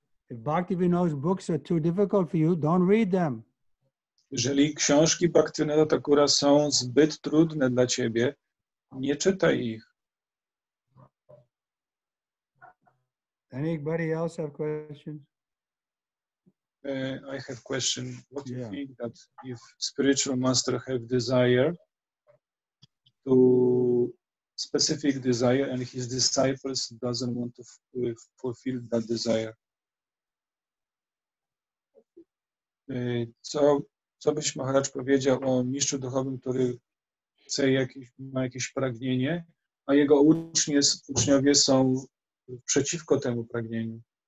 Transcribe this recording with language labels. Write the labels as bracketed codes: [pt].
[en] If Bhaktivinoda's books are too difficult for you, don't read them. [pl] Jeżeli książki Bhaktivinoda Thakura są zbyt trudne dla ciebie, nie czytaj ich. [en] Anybody else have questions? I have a question. What do you think that if spiritual master have desire to specific desire and his disciples doesn't want to fulfill that desire? [pl] Co byś Maharaj powiedział o mistrzu duchowym, który chce jakieś, ma jakieś pragnienie, a jego uczniowie są przeciwko temu pragnieniu?